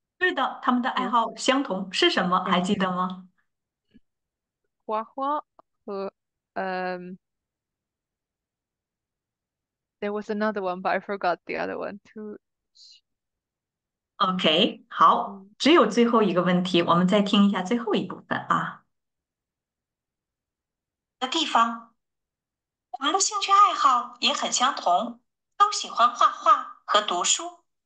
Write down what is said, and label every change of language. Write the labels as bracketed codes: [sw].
[zh] 对的，他们的爱好相同，是什么？还记得吗？画画和， [en] there was another one, but I forgot the other one too. [zh] OK，好，只有最后一个问题，我们再听一下最后一部分啊。的地方，我们的兴趣爱好也很相同，都喜欢画画和读书。